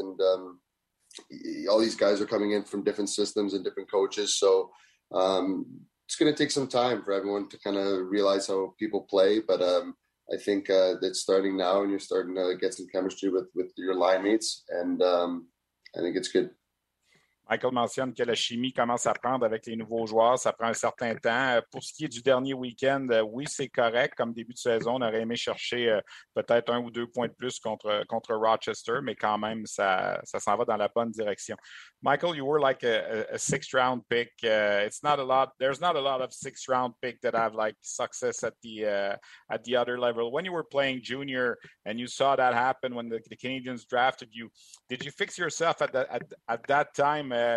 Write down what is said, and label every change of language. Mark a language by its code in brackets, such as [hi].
[en] And all these guys are coming in from different systems and different coaches, so it's going to take some time for everyone to kind of realize how people play, but. I think it's starting now, and you're starting to get some chemistry with your line mates, and I think it's good. [fr] Michael mentionne que la chimie commence à prendre avec les nouveaux joueurs. Ça prend un certain temps. Pour ce qui est du dernier week-end, oui, c'est correct. Comme début de saison, on aurait aimé chercher peut-être un ou deux points de plus contre Rochester, mais quand même, ça s'en va dans la bonne direction. [en] Michael, you were like a sixth-round pick. It's not a lot. There's not a lot of sixth-round pick that have like success at the other level. When you were playing junior and you saw that happen when the Canadians drafted you, did you fix yourself at that time?